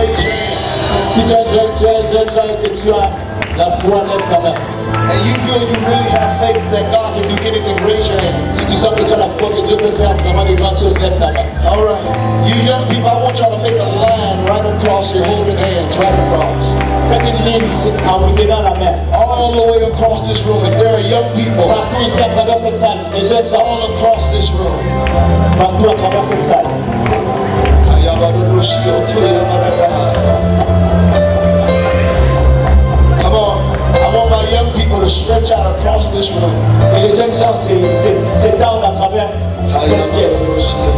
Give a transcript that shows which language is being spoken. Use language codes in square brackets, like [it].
[en] And you feel you really have faith that God can do anything, raise your hand. [fr] que la foi que Dieu peut faire vraiment des grandes choses lève ta main. [en] All right. You young people, I want y'all to make a line right across your holding hands, right across. [fr] Faites une ligne ici en vous tenant la main. [en] All the way across this room, if there are young people. [fr] Partout ici à travers cette salle. Et je dis [en] all across this room. [fr] Partout à travers cette salle. [en] Come on, I want my young people to stretch out across this room. [fr] Et les jeunes gens s'étendent à travers cette pièce.